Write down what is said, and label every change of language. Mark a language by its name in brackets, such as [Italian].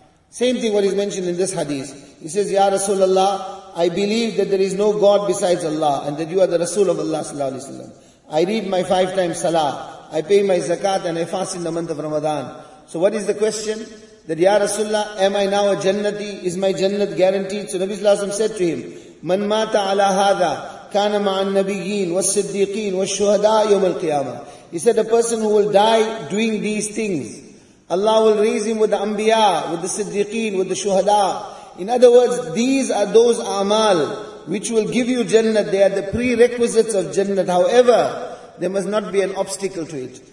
[English] Same thing what is mentioned in this hadith. He says, Ya Rasulullah, I believe that there is no God besides Allah and that you are the Rasul of Allah sallallahu alayhi wa sallam. I read my 5 times salah. I pay my zakat and I fast in the month of Ramadan. So what is the question? That Ya Rasulullah, am I now a jannati? Is my jannat guaranteed? So Nabi sallallahu alayhi wa sallam said to him, [Arabic] مَنْ مَاتَ عَلَى هَذَا كَانَ مَعَ النَّبِيِّينَ وَالصِّدِّيقِينَ وَالشُّهَدَاءَ يَوْمَ الْقِيَامَةِ. [English] He said, a person who will die doing these things, Allah will raise him with the Anbiya, with the Siddiqeen, with the Shuhada. In other words, these are those amal which will give you Jannat. They are the prerequisites of Jannat. However, there must not be an obstacle to it.